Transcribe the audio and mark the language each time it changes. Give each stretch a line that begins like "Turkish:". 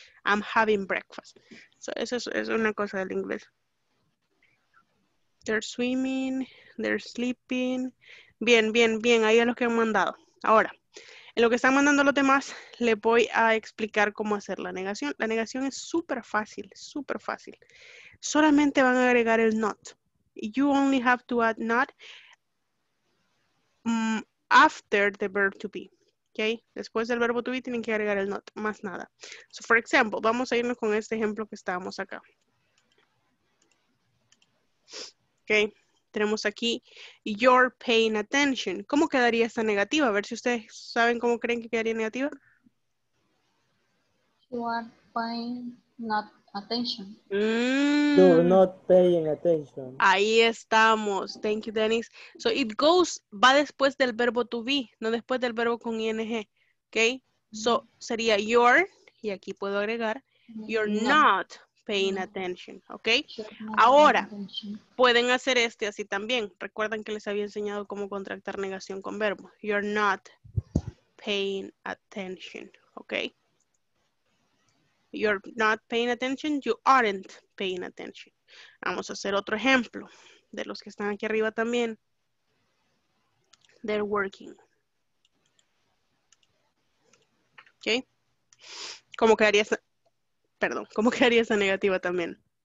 English: I'm having breakfast.
Spanish: So, eso es una cosa del inglés.
English: They're swimming, they're sleeping.
Spanish: Bien, ahí es lo que han mandado. Ahora, en lo que están mandando los demás, les voy a explicar cómo hacer la negación. La negación es súper fácil. Solamente van a agregar el not.
English: You only have to add not after the verb to be.
Spanish: Okay? Después del verbo to be tienen que agregar el not, más nada. So, for example, vamos a irnos con este ejemplo que estábamos acá.
English: Okay.
Spanish: Tenemos aquí,
English: you're paying attention.
Spanish: ¿Cómo quedaría esta negativa? A ver si ustedes saben cómo creen que quedaría negativa.
English: You are paying not attention. You're not paying attention.
Spanish: Ahí estamos.
English: Thank you, Dennis. So it goes,
Spanish: va después del verbo to be, no después del verbo con ing.
English: Okay? So
Spanish: sería
English: you're,
Spanish: y aquí puedo agregar,
English: you're not paying attention, ¿ok?
Spanish: Ahora, pueden hacer este así también. Recuerdan que les había enseñado cómo contractar negación con verbo.
English: You're not paying attention, ¿ok? You're not paying attention, you aren't paying attention.
Spanish: Vamos a hacer otro ejemplo de los que están aquí arriba también.
English: They're working.
Spanish: ¿Ok? ¿Cómo quedaría esta? Perdón, ¿cómo quedaría esa negativa también?